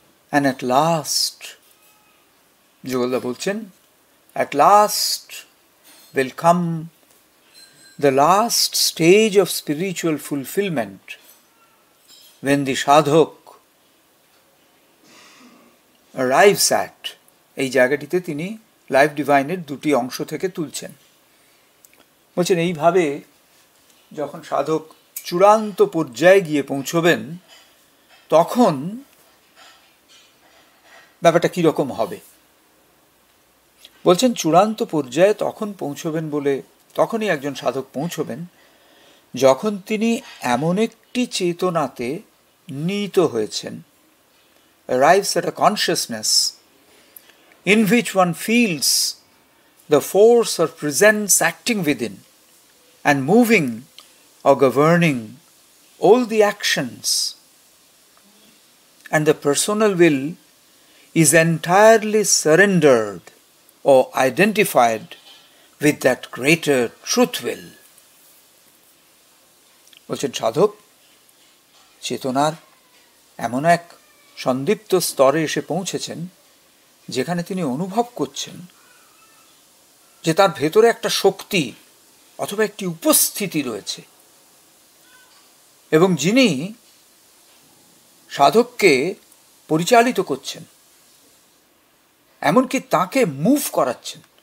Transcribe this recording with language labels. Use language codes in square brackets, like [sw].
[en] and at last, [bn] যুগলদা বলছেন, [en] at last will come the last stage of spiritual fulfillment when the সাধক arrives at, [bn] এই জায়গাটিতে তিনি life ডিভাইনের দুটি অংশ থেকে তুলছেন। বলছেন এইভাবে যখন সাধক চূড়ান্ত পর্যায়ে গিয়ে পৌঁছবেন তখন ব্যাপারটা কীরকম হবে। বলছেন চূড়ান্ত পর্যায়ে তখন পৌঁছবেন বলে তখনই একজন সাধক পৌঁছবেন যখন তিনি এমন একটি চেতনাতে নীত হয়েছেন, [en] arrives at a consciousness in which one feels the force or presence acting within and moving or governing all the actions, and the personal will is entirely surrendered or identified with that greater truth will. [bn] বলছেন সাধক চেতনার এমন এক সন্দীপ্ত স্তরে এসে পৌঁছেছেন যেখানে তিনি অনুভব করছেন যে তার ভেতরে একটা শক্তি অথবা একটি উপস্থিতি রয়েছে, এবং যিনি সাধককে পরিচালিত করছেন, এমনকি তাকে মুভ করাচ্ছেন,